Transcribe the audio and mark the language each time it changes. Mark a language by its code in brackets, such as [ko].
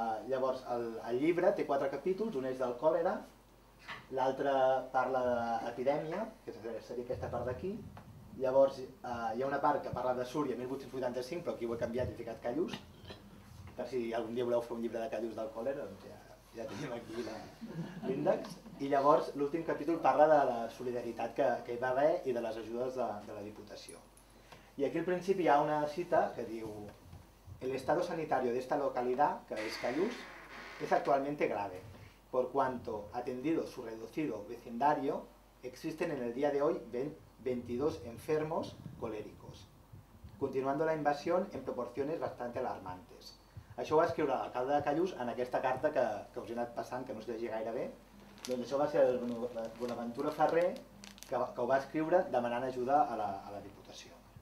[ca] Llavors, el llibre té 4 capítols, un és del còlera, l'altre parla d'epidèmia, que seria aquesta part d'aquí, llavors hi ha una part que parla de Súria, 1885, però aquí ho he canviat i he ficat Callús, per si algun dia voleu fer un llibre de Callús del còlera, doncs ja tenim aquí l'índex. I llavors l'últim capítol parla de la solidaritat que hi va haver i de les ajudes de la Diputació. I aquí al principi hi ha una cita que diu: [es] el estado sanitario de esta localidad, que es Callús, es actualmente grave, por cuanto atendido su reducido vecindario, existen en el día de hoy 22 enfermos coléricos, continuando la invasión en proporciones bastante alarmantes. [ca] Això ho va escriure l'alcalde de Callús en aquesta carta que us he anat passant, que no es llegia gaire bé. Doncs això va ser el Bonaventura Ferrer que ho va escriure demanant ajuda a la Diputació.